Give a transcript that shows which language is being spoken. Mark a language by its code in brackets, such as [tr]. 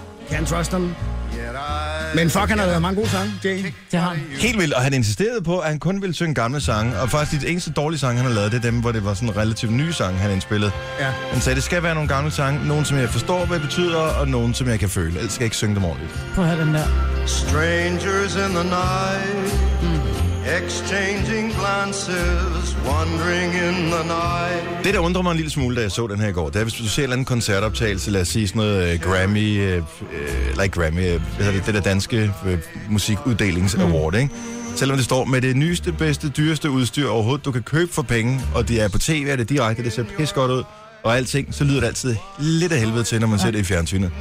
[en] Can't trust them. [da] Men fuck, han har lavet mange gode sange, Jay. Det har han. Helt vildt, og han insisterede på, at han kun ville synge gamle sange, og faktisk det eneste dårlige sang, han har lavet, det er dem, hvor det var sådan en relativt ny sang, han indspillede. Ja. Han sagde, det skal være nogle gamle sange, nogen, som jeg forstår, hvad det betyder, og nogen, som jeg kan føle. Ellers skal jeg ikke synge dem ordentligt. Prøv at have den der. [en] Strangers in the night, exchanging glances, wandering in the night. [da] Det, der undrer mig en lille smule, da jeg så den her i går, det er, hvis du ser en eller anden koncertoptagelse, lad os sige sådan noget Grammy, [en] like Grammy, [da] det der danske musikuddelings-award, ikke? Selvom det står med det nyeste, bedste, dyreste udstyr overhovedet, du kan købe for penge, og det er på TV, er det direkte, det ser pis godt ud, og alting, så lyder det altid lidt af helvede til, når man ser det i fjernsynet.